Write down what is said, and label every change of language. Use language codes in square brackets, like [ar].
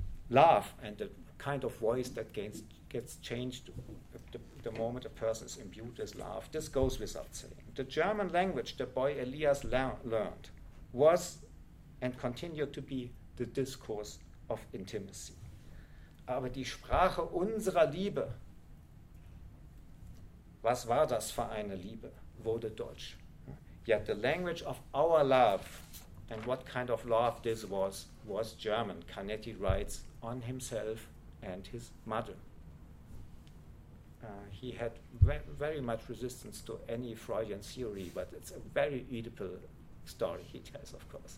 [en] Love, and the kind of voice that gets changed the moment a person is imbued with love, this goes without saying. The German language the boy Elias learned was and continued to be the discourse of intimacy. [de] Aber die Sprache unserer Liebe, was war das für eine Liebe, wurde Deutsch. [en] Yet the language of our love, and what kind of love this was German, Canetti writes, on himself and his mother. He had very much resistance to any Freudian theory, but it's a very Oedipal story he tells, of course.